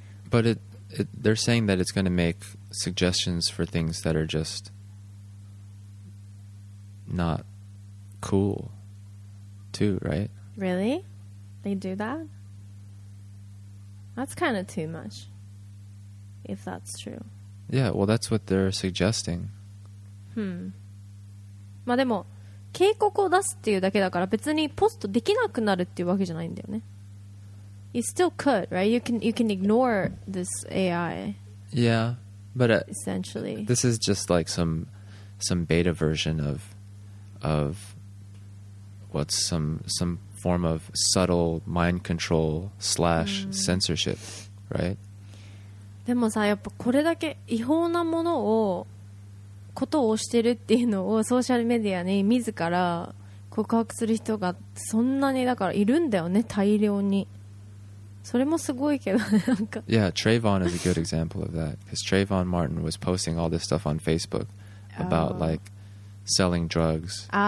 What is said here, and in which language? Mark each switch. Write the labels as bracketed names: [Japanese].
[English] But it they're saying that it's going to make suggestions for things that are just not. Cool, too, right? Really? They do that? That's kind of too much, if that's true. Yeah, well, that's what they're suggesting. [Japanese] まあでも警告を出すっていうだけだから別にポストできなくなるっていうわけじゃないんだよね。 [English] You still could, right? You can ignore this AI. Yeah, but essentially, this is just like some beta version of. What's some form of subtle mind control / censorship, right? [Japanese] でもさ、やっぱこれだけ違法なものをことをしてるっていうのをソーシャルメディアに自ら告白する人がそんなにだからいるんだよね、大量に。それもすごいけどね、なんか。 [English] Yeah, Trayvon is a good example of that. Because Trayvon Martin was posting all this stuff on Facebook about like selling drugs.